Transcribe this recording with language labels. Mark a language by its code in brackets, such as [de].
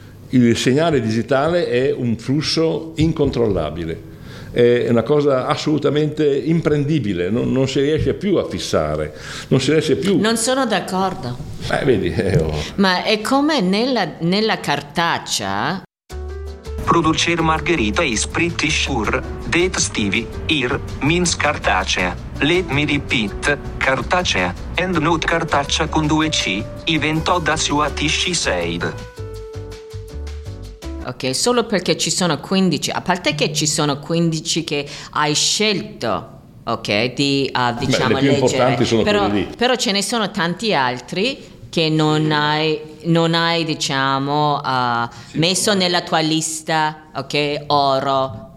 [it] Il segnale digitale è un flusso incontrollabile. È una cosa assolutamente imprendibile, non si riesce più a fissare, non si riesce più. Non sono d'accordo. Vedi. Ma è come nella cartaccia. [en] Producer Margherita is pretty sure that Stevie here means cartacea. Let me repeat, cartacea, and not [it] cartaccia con due C, [en] even though that's what she said. [it] Ok, solo perché ci sono 15, a parte che ci sono 15 che hai scelto, ok, di diciamo le più importanti sono però, quelle lì. Però ce ne sono tanti altri che non hai, non hai diciamo messo nella tua lista, ok, oro.